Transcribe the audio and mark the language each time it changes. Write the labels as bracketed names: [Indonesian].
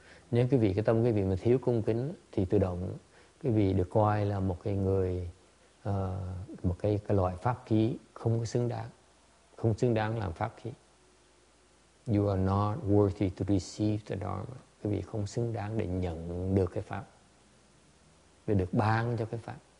[Vietnamese] Nếu quý vị cái tâm quý vị mà thiếu cung kính thì tự động quý vị được coi là một cái người một cái loại pháp khí không xứng đáng làm pháp khí. [English] You are not worthy to receive the Dharma. [Vietnamese] Quý vị không xứng đáng để nhận được cái pháp, để được ban cho cái pháp.